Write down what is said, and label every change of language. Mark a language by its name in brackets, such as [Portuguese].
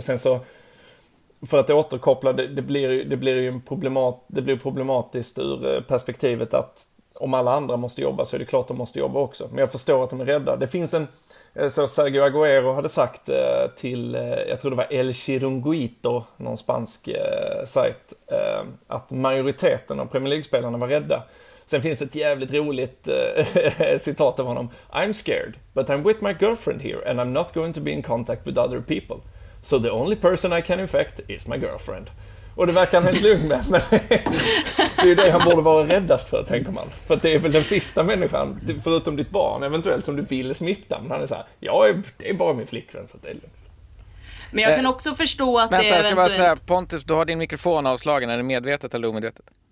[Swedish] Sen så, för att återkoppla, det blir problematiskt ur perspektivet att om alla andra måste jobba så är det klart de måste jobba också. Men jag förstår att de är rädda. Det finns en, så Sergio Aguero hade sagt till, jag tror det var El Chiringuito, någon spansk sajt, att majoriteten av Premier League-spelarna var rädda. Sen finns ett jävligt roligt citat av honom. [English] I'm scared, but I'm with my girlfriend here and I'm not going to be in contact with other people. So the only person I can infect is my girlfriend. [Swedish] Och det verkar han helt lugn med. Men det är ju det han borde vara räddast för, tänker man. För att det är väl den sista människan, förutom ditt barn eventuellt, som du vill smitta. Men han är så här, ja, det är bara min flickvän, så att det är lugnt. Men jag kan också förstå att det är eventuellt... Vänta, jag ska bara säga, Pontus, du har din mikrofon avslagen. Är det medvetet eller omedvetet?